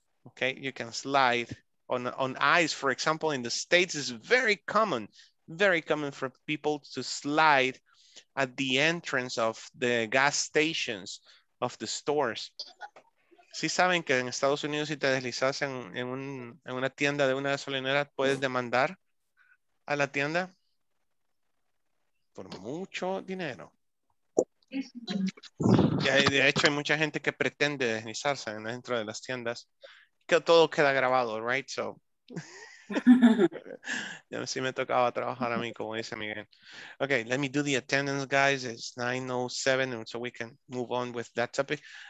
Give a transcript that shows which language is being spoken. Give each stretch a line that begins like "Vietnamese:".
English: Okay, you can slide on ice, for example, in the States is very common for people to slide at the entrance of the gas stations of the stores.
Spanish: Si ¿Sí saben que en Estados Unidos si te deslizas en una tienda de una gasolinera puedes demandar a la tienda por mucho dinero? Y de hecho hay mucha gente que pretende deslizarse dentro de las tiendas. Que todo queda grabado,
English: right? So,
Spanish: ya sí me tocaba trabajar a mí, como dice Miguel.
English: Okay, let me do the attendance, guys. It's 9:07, so we can move on with that topic.